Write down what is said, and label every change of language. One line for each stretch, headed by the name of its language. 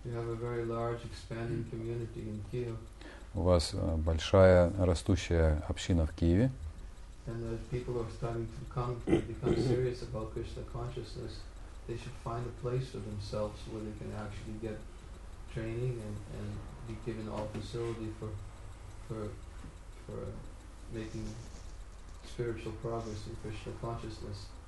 English: You have a very large expanding community in Kyiv.
Russian: У вас большая растущая община в Киеве.
English: And as people are starting to become serious about Krishna consciousness, they should find a place for themselves where they can actually get training and be given all facility for making spiritual progress in Krishna consciousness.